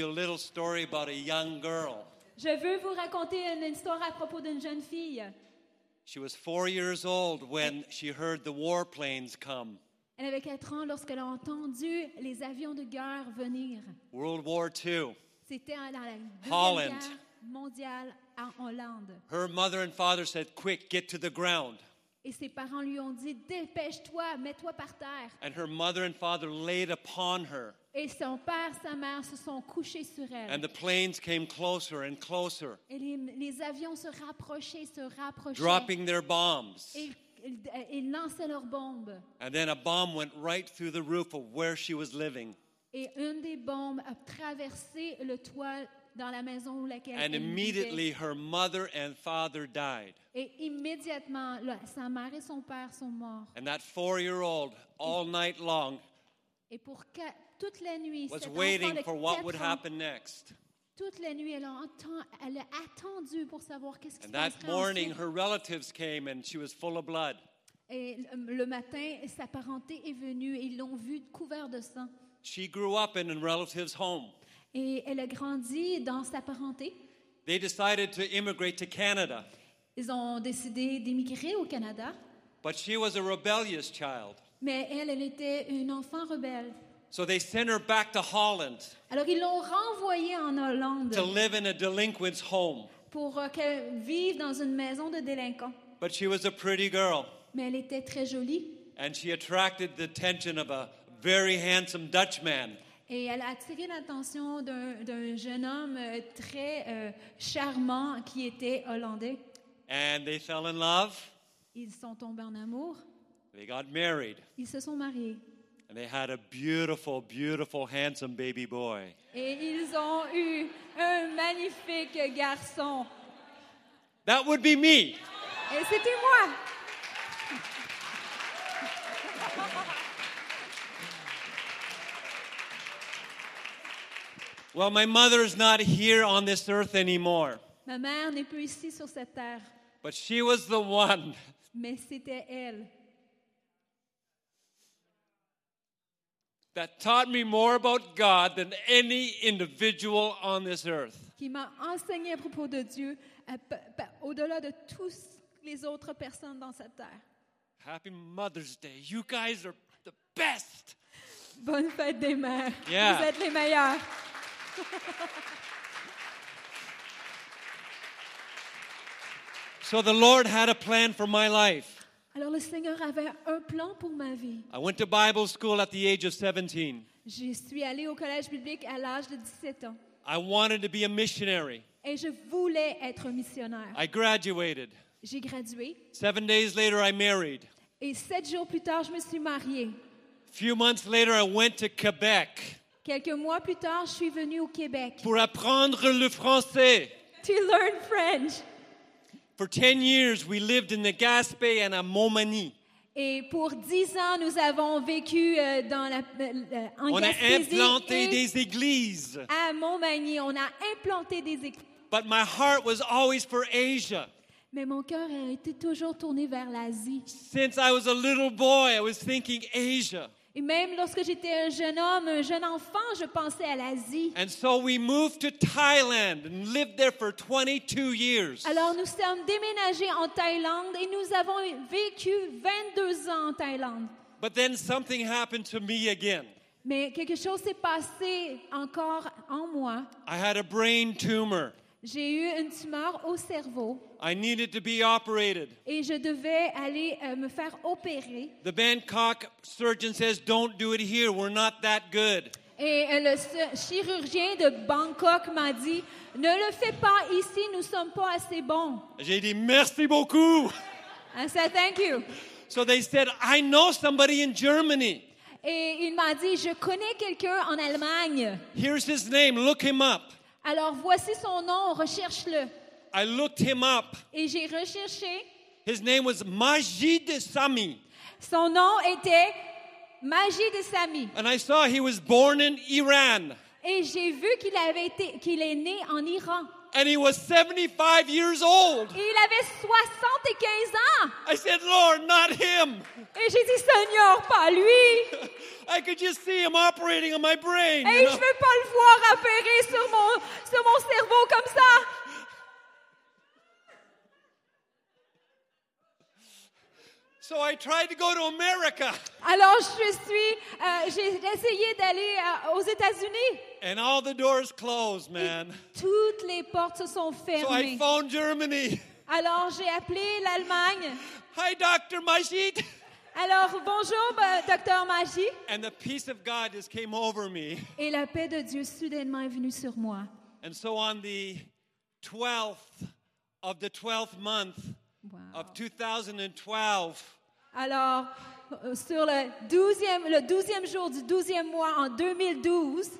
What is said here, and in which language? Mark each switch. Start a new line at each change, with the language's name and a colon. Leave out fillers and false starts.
English: a little story about a young girl.
French: Je veux vous raconter une histoire à propos d'une jeune fille.
English: She was 4 years old when she heard the war planes come.
French: Elle avait 4 ans lorsqu'elle a entendu les avions de guerre venir.
English: World War II.
French: C'était dans la Deuxième Guerre mondiale en Hollande.
English: Her mother and father said, "Quick, get to the ground."
French: Et ses parents lui ont dit, dépêche-toi, mets-toi par terre.
English: And her mother and father laid upon her.
French: Et son père, sa mère se sont couchés sur elle.
English: And the planes came closer and closer.
French: Et les avions se rapprochaient.
English: Dropping their bombs.
French: Ils lançaient leurs bombes.
English: And then a bomb went right through the roof of where she was living.
French: Et une des bombes a traversé le toit dans la maison où laquelle elle vivait.
English: And immediately her mother and father died.
French: Et immédiatement, sa mère et son père sont morts.
English: And that 4-year-old, all night long,
French: et pour toute la nuit,
English: was waiting for what would happen next.
French: Toute la nuit, elle a attendu pour savoir qu'est-ce qui se passerait.
English: And that morning, her relatives came and she was full of blood.
French: Et le matin, sa parenté est venue et ils l'ont vue couverte de sang.
English: She grew up in a relative's home.
French: Et elle a grandi dans sa parenté.
English: They decided to immigrate to Canada.
French: Ils ont décidé d'émigrer au Canada.
English: But she was a rebellious child.
French: Mais elle était une enfant rebelle.
English: So they sent her back to Holland.
French: Alors ils l'ont renvoyée en Hollande.
English: To live in a delinquent's home.
French: Pour qu'elle vive dans une maison de délinquants.
English: But she was a pretty girl.
French: Mais elle était très jolie.
English: And she attracted the attention of a very handsome Dutchman.
French: Et elle a attiré l'attention d'un jeune homme très charmant qui était hollandais.
English: And they fell in love.
French: Ils sont tombés en amour.
English: They got married.
French: Ils se sont mariés.
English: And they had a beautiful, beautiful, handsome baby boy.
French: Et ils ont eu un magnifique garçon.
English: That would be me.
French: Et c'était moi.
English: Well, my mother is not here on this earth anymore.
French: Ma mère n'est plus ici sur cette terre.
English: But she was the one.
French: Mais c'était elle.
English: That taught me more about God than any individual on this earth.
French: Qui m'a enseigné à propos de Dieu au-delà de toutes les autres personnes dans cette terre.
English: Happy Mother's Day. You guys are the best.
French: Bonne fête des mères. Yeah. Vous êtes les meilleurs.
English: So the Lord had a plan for my life.
French: Alors le Seigneur avait un plan pour ma vie.
English: I went to Bible school at the age of 17.
French: Je suis allé au collège biblique à l'âge de 17 ans.
English: I wanted to be a missionary.
French: Et je voulais être missionnaire.
English: I graduated.
French: J'ai gradué.
English: 7 days later, I married.
French: Et 7 jours plus tard, je me suis marié.
English: Few months later, I went to Quebec.
French: Quelques mois plus tard, je suis venu au Québec. Pour apprendre le français.
English: To learn French. For 10 years, we lived in the Gaspé and at Montmagny.
French: Et pour 10 ans, nous avons vécu dans la en Gaspésie. On a implanté des églises. À Montmagny, on a implanté des églises.
English: But my heart was always for Asia.
French: Mais mon cœur a été toujours tourné vers l'Asie.
English: Since I was a little boy, I was thinking Asia.
French: Et même lorsque j'étais un jeune homme, un jeune enfant, je pensais à l'Asie.
English: And so we moved to Thailand and lived there for 22 years.
French: Alors nous sommes déménagés en Thaïlande et nous avons vécu 22 ans en Thaïlande.
English: But then something happened to me again.
French: Mais quelque chose s'est passé encore en moi.
English: I had a brain tumor.
French: J'ai eu une tumeur au cerveau.
English: I needed to be operated.
French: Et je devais aller me faire opérer.
English: The Bangkok surgeon says, "Don't do it here. We're not that good."
French: Et le chirurgien de Bangkok m'a dit, "Ne le fais pas ici. Nous sommes pas assez bons." J'ai dit, "Merci beaucoup."
English: I said, "Thank you." So they said, "I know somebody in Germany."
French: Et il m'a dit, "Je connais quelqu'un en Allemagne."
English: Here's his name. Look him up.
French: Alors voici son nom, recherche-le.
English: I looked him up.
French: Et j'ai recherché.
English: His name was Majid Sami.
French: Son nom était Majid Sami.
English: And I saw he was born in Iran.
French: Et j'ai vu qu'il est né en Iran.
English: And he was 75 years old.
French: Et il avait 75 ans.
English: I said, Lord, not him.
French: Et j'ai dit, Seigneur, pas lui.
English: I could just see him operating on my brain.
French: Et je veux pas le voir opérer sur mon cerveau comme ça.
English: So I tried to go to America.
French: Alors j'ai essayé d'aller aux États-Unis.
English: And all the doors closed, man.
French: Et toutes les portes se sont fermées.
English: So I phoned Germany.
French: Alors j'ai appelé l'Allemagne.
English: Hi, Dr. Majid.
French: Alors bonjour, Dr. Majid.
English: And the peace of God just came over me.
French: Et la paix de Dieu soudainement est venue sur moi.
English: And so on the 12th of the 12th month. Wow. Of 2012.
French: Alors, sur le douzième jour du douzième mois en 2012.